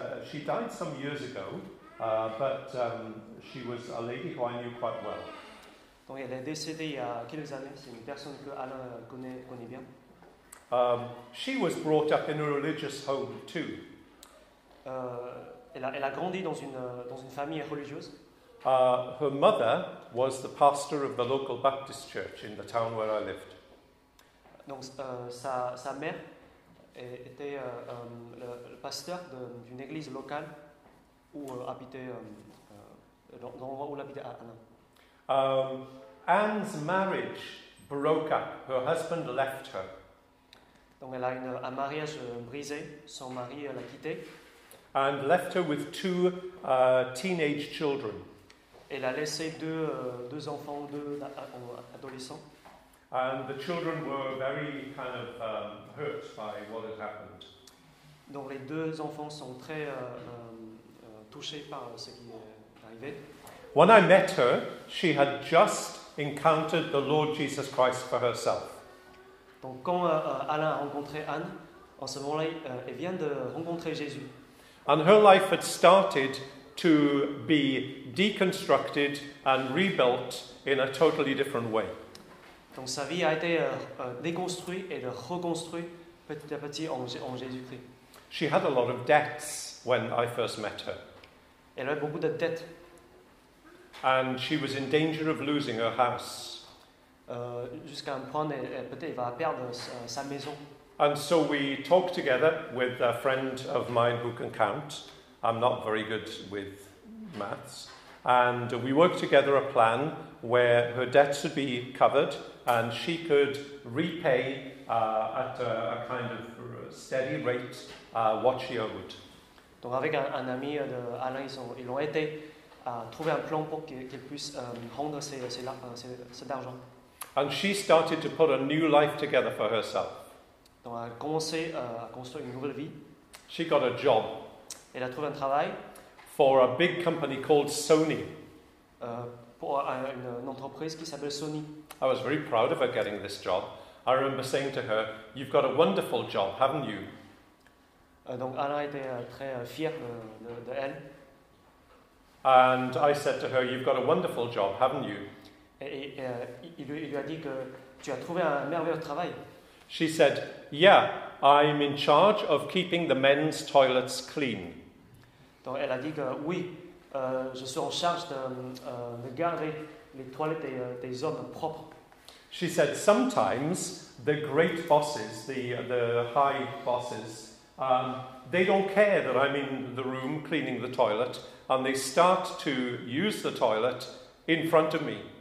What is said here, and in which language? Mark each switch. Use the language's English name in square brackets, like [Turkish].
[English] She died some years ago, but she was a lady who I knew quite well. [French] Donc, elle est décédée il y a quelques années. C'est une personne que Alan connaît bien. [English] She was brought up in a religious home too. [French] Elle a grandi dans une famille religieuse. [English] Her mother was the pastor of the local Baptist church in the town where I lived. [French] Donc sa mère était le pasteur d'une église locale où habitait l'endroit où habitait Anne. [English] Anne's marriage broke up. Her husband left her. [French] Donc elle a un mariage brisé. Son mari l'a quittée. [English] And left her with two teenage children. [French] Elle a laissé deux enfants, adolescents. [English] And the children were very kind of hurt by what had happened. [French] Donc les deux enfants sont très touchés par ce qui est arrivé. [English] When I met her, she had just encountered the Lord Jesus Christ for herself. [French] Donc quand Alain a rencontré Anne, en ce moment-là, elle vient de rencontrer Jésus. [English] And her life had started to be deconstructed and rebuilt in a totally different way. [French] Donc sa vie a été déconstruite et reconstruite petit à petit en Jésus-Christ. [English] She had a lot of debts when I first met her. [French] Elle avait beaucoup de dettes. [English] And she was in danger of losing her house. [French] Jusqu'à un point, elle peut-être va perdre sa maison. [English] And so we talked together with a friend of mine who can count. I'm not very good with maths. And we worked together a plan where her debts would be covered and she could repay at a kind of steady rate what she owed. [French] Donc avec un ami de Alain, ils l'ont aidé à trouver un plan pour qu'elle puisse rendre cet argent. [English] And she started to put a new life together for herself. [French] Donc elle a commencé à construire une nouvelle vie. [English] She got a job. [French] Elle a trouvé un travail. [English] For a big company called Sony. [French] Pour une entreprise qui s'appelle Sony. [English] I was very proud of her getting this job. I remember saying to her, "You've got a wonderful job, haven't you?" [French] Donc Alain était très fier de elle. [English] And I said to her, "You've got a wonderful job, haven't you?" [French] Et il lui a dit que tu as trouvé un merveilleux travail. [English] She said, "Yeah, I'm in charge of keeping the men's toilets clean." [French] Donc elle a dit que oui, je suis en charge de garder les toilettes des hommes propres. [English] She said, "Sometimes the great bosses, the high bosses, they don't care that I'm in the room cleaning the toilet, and they start to use the toilet in front of me."